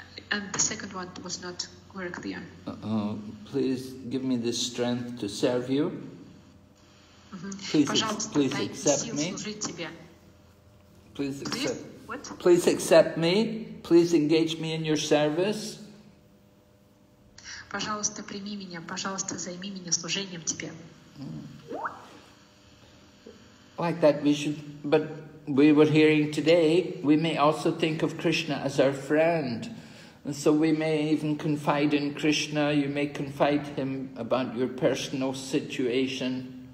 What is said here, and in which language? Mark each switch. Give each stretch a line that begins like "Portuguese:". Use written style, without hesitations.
English: And the second one was not very clear. Please give me the strength to serve you. Please accept me. Please accept me. Please engage me in your service.
Russian: Пожалуйста, прими меня, пожалуйста, займи меня служением тебе.
English: Like that vision, but we were hearing today, we may also think of Krishna as our friend. And so we may even confide in Krishna, you may confide him about your personal situation.